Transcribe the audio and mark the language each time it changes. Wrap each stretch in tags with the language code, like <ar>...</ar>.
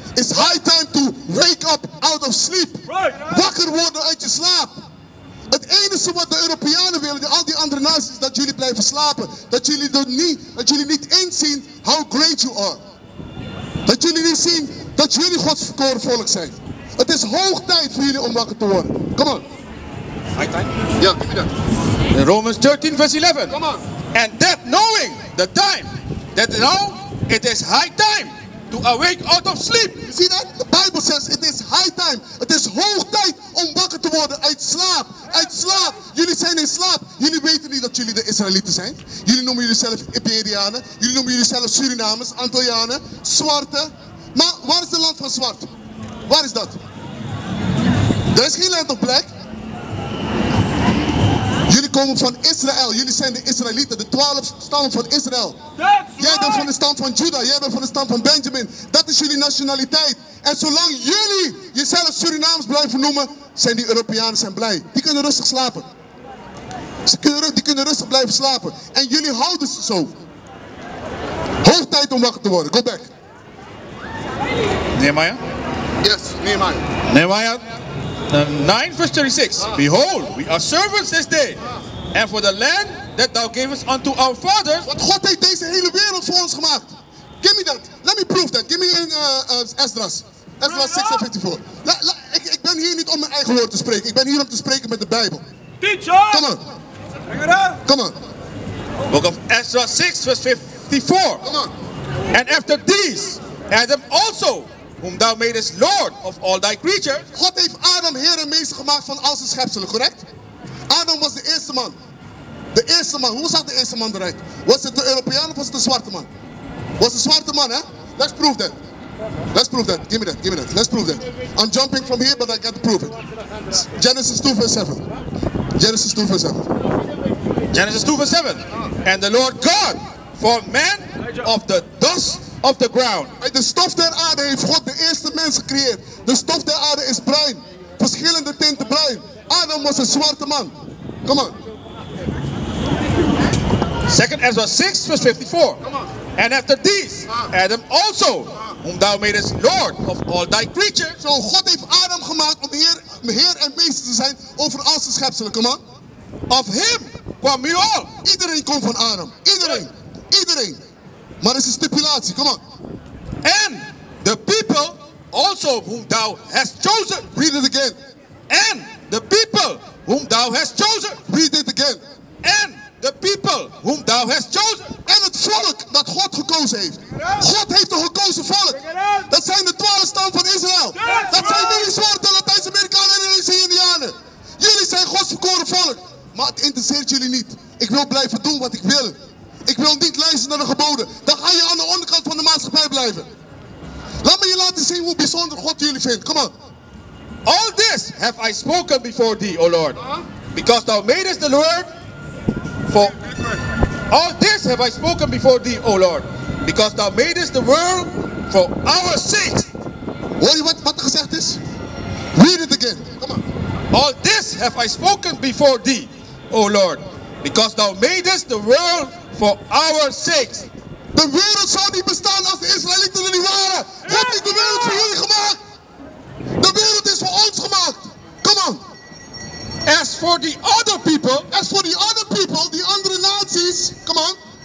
<en>It's high time to wake up out of sleep.</en> <nl>Wakker worden uit je slaap. Het enige wat de Europeanen willen, al die andere naties, is dat jullie blijven slapen. Dat jullie niet inzien</nl> <en>how great you are.</en> <nl>Dat jullie niet zien dat jullie Gods verkoren volk zijn. Het is hoog tijd voor jullie om wakker te worden.</nl> <en>Come on. High time? Ja, give me that. In Romans 13:11. Come on. And that knowing the time, that now it is high time to awake out of sleep. You see that? The Bible says it is high time.</en> <nl>Het is hoog tijd om wakker te worden uit slaap. Uit slaap. Jullie zijn in slaap. Jullie weten niet dat jullie de Israëlieten zijn. Jullie noemen jullie zelf Iberianen. Jullie noemen jullie zelf Surinamers, Antillianen, Zwarte. Maar waar is de land van zwart? Waar is dat? Er is geen land</nl> <en>of black.</en> <nl>Jullie komen van Israël. Jullie zijn de Israëlieten, de 12 stammen van Israël. Jij bent van de stam van Juda. Jij bent van de stam van Benjamin. Dat is jullie nationaliteit. En zolang jullie jezelf Surinaams blijven noemen, zijn die Europeanen zijn blij. Die kunnen rustig slapen. Die kunnen rustig blijven slapen. En jullie houden ze zo. Hoog tijd om wakker te worden.</nl> <en>Go back. Nehemiah? Yes, Nehemiah. Nehemiah 9:36. Behold, we are servants this day. And for the land that thou gavest unto our fathers.</en> <nl>Want God heeft deze hele wereld voor ons gemaakt.</nl> <en>Give me that. Let me prove that. Give me in Esdras. Esdras 6:54.</en> <nl>Ik ben hier niet om mijn eigen woord te spreken. Ik ben hier om te spreken met de Bijbel.</nl> <en>Teacher! Come on. Come on. Book of Esdras 6:54. Come on. And after these, Adam also, whom thou madest Lord of all thy creatures.</en> <nl>God heeft Adam Heer en Meester gemaakt van al zijn schepselen, correct? Adam was de eerste man. De eerste man. Hoe zag de eerste man eruit? Was het de Europeaan of was het de zwarte man? Was de zwarte man, hè?</nl> <en>Let's prove that. Let's prove that. Give me that. Give me that. Let's prove that. I'm jumping from here, but I can't prove it. Genesis 2:7. Genesis 2:7. Genesis 2:7. And the Lord God for man of the dust of the ground.</en> <nl>Uit de stof der aarde heeft God de eerste mens gecreëerd. De stof der aarde is bruin. Verschillende tinten bruin. Adam was een zwarte man.</nl> <en>Come on. 2 Ezra 6:54. Come on. And after these, Adam also, whom thou madest Lord of all thy creatures.</en> <nl>Zo, God heeft Adam gemaakt om heer en meester te zijn over al zijn schepselen.</nl> <en>Come on. Of him kwam u al.</en> <nl>Iedereen komt van Adam. Iedereen. Iedereen. Maar het is een stipulatie,</nl> <en>come on. And the people also whom thou hast chosen. Read it again. And the people whom thou hast chosen. Read it again. And the people whom thou hast chosen.</en> <nl>En het volk dat God gekozen heeft. God heeft een gekozen volk. Dat zijn de 12 stammen van Israël. Dat zijn jullie zwarte Latijns-Amerikanen en deze Indianen. Jullie zijn Gods verkoren volk. Maar het interesseert jullie niet. Ik wil blijven doen wat ik wil. Ik wil niet luisteren naar de geboden. Dan ga je aan de onderkant van de maatschappij blijven. Laat me je laten zien hoe bijzonder God jullie vindt.</nl> <en>Come on. All this have I spoken before thee, O Lord. Because thou madest the Lord for... All this have I spoken before thee, O Lord. Because thou madest the world for our sake.</en> <nl>Hoor je wat er gezegd is?</nl> <en>Read it again. Come on. All this have I spoken before thee, O Lord. Because thou madest the world for our sake.</en> <nl>De wereld zou niet bestaan als de Israëlieten er niet waren. God heeft de wereld voor jullie gemaakt. De wereld is voor ons gemaakt.</nl> <en>Come on. As for the other people,</en> <nl>die andere naties.</nl> <en>Come on.</en>